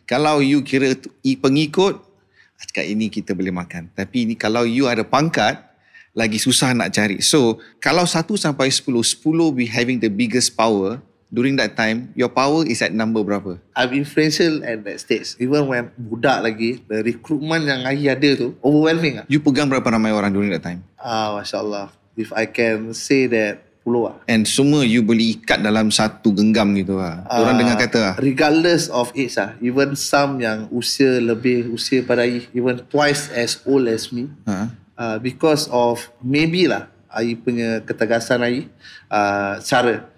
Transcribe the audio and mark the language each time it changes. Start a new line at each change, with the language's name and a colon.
Malay: Kalau you kira pengikut, cakap ini kita boleh makan. Tapi ini kalau you ada pangkat, lagi susah nak cari.
English: So kalau 1 sampai 10, 10 be having the biggest power. During that time, your power is at number berapa? I'm influential at that stage.
Malay: Even when budak lagi,
English: the recruitment
Malay: yang lagi ada tu,
English: overwhelming lah.
Malay: You pegang berapa ramai orang
English: during that time? MasyaAllah. If I can say that, 10 lah.
Malay: And semua you boleh ikat dalam satu genggam gitu lah. Orang dengar kata lah.
English: Regardless of age lah. Even some yang
Malay: usia lebih, usia pada
English: I, even twice as old as me. Because of maybe lah,
Malay: I punya ketegasan I, cara.